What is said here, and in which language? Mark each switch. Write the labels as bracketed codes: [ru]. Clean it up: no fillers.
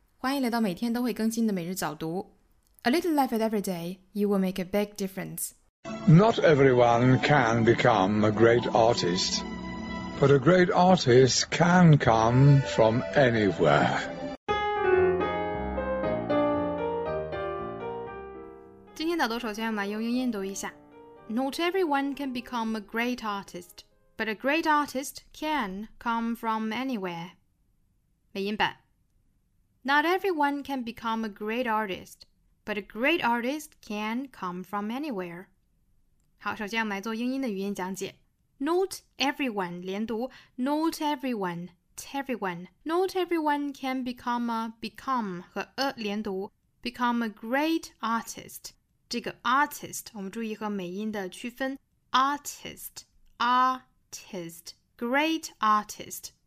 [zh] 欢迎来到每天都会更新的每日早读。 [en] A little life at every day, you will make a big difference. Not everyone can become a great artist, but a great artist can come from anywhere. [zh] 今天早读首先要来用英音读一下。 [en] Not everyone can become a great artist, but a great artist can come from anywhere. [zh] 美音版 [en] Not everyone can become a great artist, but a great artist can come from anywhere. [zh] 好，首先我们来做英音的语音讲解。 [en] Not everyone, [zh] 连读 [en] Not everyone, everyone. Not everyone can become a, become 和 a [zh] 连读 [en] Become a great artist. [zh] 这个 artist, 我们注意和美音的区分 [en] Artist, artist, great artist.